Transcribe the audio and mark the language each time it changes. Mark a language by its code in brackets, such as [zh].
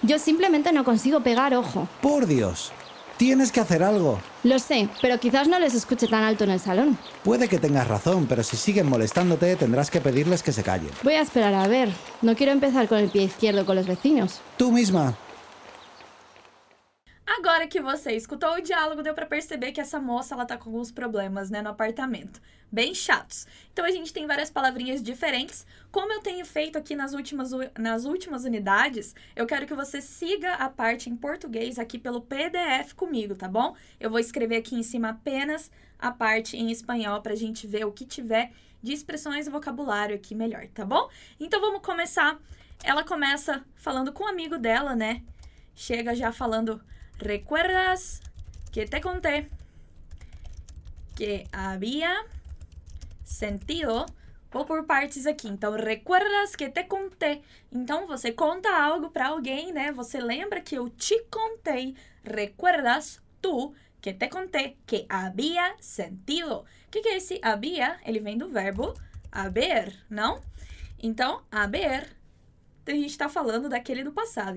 [es] Yo simplemente no consigo pegar ojo. Por Dios, tienes que hacer algo. Lo sé, pero quizás no les escuche tan alto en el salón. Puede que tengas razón, pero si siguen molestándote, tendrás que pedirles que se callen. Voy a esperar a ver. No quiero empezar con el pie izquierdo con los vecinos. Tú misma. [pt] Agora que você escutou o diálogo, deu para perceber que essa moça ela tá com alguns problemas, né, no apartamento. Bem chatos. Então a gente tem várias palavrinhas diferentes. Como eu tenho feito aqui nas últimas unidades, eu quero que você siga a parte em português aqui pelo PDF comigo, tá bom? Eu vou escrever aqui em cima apenas a parte em espanhol pra gente ver o que tiver de expressões e vocabulário aqui melhor, tá bom? Então vamos começar. Ela começa falando com um amigo dela, né? Chega já falando... [es] ¿Recuerdas que te conté que había sentido? [pt] Vou por partes aqui. Então, [es] recuerdas que te conté. [pt] Então, você conta algo para alguém, né? Você lembra que eu te contei. [es] ¿Recuerdas tú que te conté que había sentido? [pt] O que é esse había? Ele vem do verbo haber, não? Então, haber, a gente está falando daquele do passado.